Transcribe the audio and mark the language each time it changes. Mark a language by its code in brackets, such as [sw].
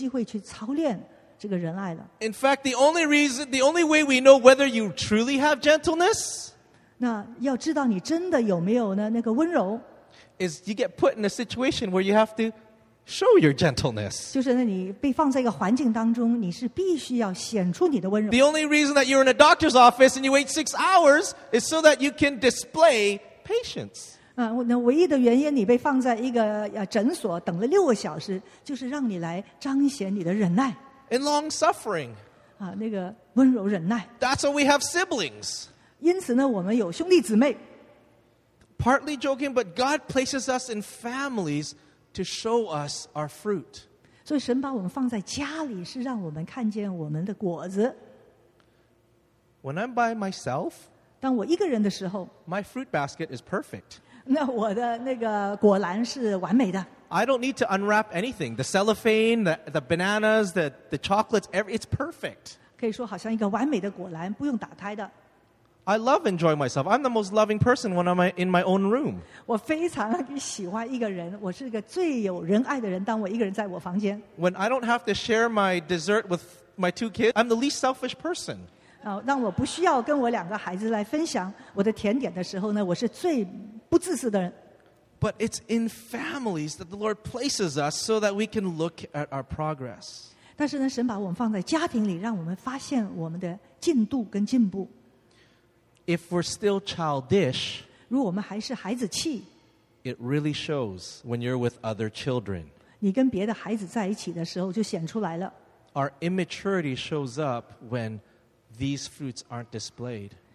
[zh] 不是说呢，你现在还没有呢那个仁爱的果子，不是说你就没有机会去操练这个仁爱了。 [en] In fact, the only way we know whether you truly have gentleness. [zh] 那要知道你真的有没有呢那个温柔。 [en] Is you get put in a situation where you have to show your gentleness. [zh] 就是呢，你被放在一个环境当中，你是必须要显出你的温柔。 [en] The only reason that you're in a doctor's office and you wait 6 hours is so that you can display patience. [zh] 那唯一的原因，你被放在一个诊所等了6个小时，就是让你来彰显你的忍耐。 [en] And long suffering. [zh] 那个温柔忍耐。 [en] That's why we have siblings. [zh] 因此呢，我们有兄弟姊妹。 [en] Partly joking, but God places us in families to show us our fruit. [zh] 所以神把我们放在家里, 是让我们看见我们的果子。 [en] When I'm by myself, [zh] 当我一个人的时候, [en] my fruit basket is perfect. [zh] 那我的那个果篮是完美的。 [en] I don't need to unwrap anything. The cellophane, the bananas, the chocolates, it's perfect. [zh] 可以说好像一个完美的果篮，不用打开的。 [en] I love enjoying myself. I'm the most loving person when I'm in my own room. [zh] 我非常喜欢一个人，我是一个最有仁爱的人。当我一个人在我房间， [en] when I don't have to share my dessert with my two kids, I'm the least selfish person. [zh] 当我不需要跟我两个孩子来分享我的甜点的时候呢，我是最不自私的人。 [en] But it's in families that the Lord places us so that we can look at our progress. [zh] 但是呢，神把我们放在家庭里，让我们发现我们的进度跟进步。 [en] If we're still childish, [zh] 如果我们还是孩子气, [en] it really shows when you're with other children. [zh] 你跟别的孩子在一起的时候就显出来了。 [en] Our immaturity shows up when these fruits aren't displayed.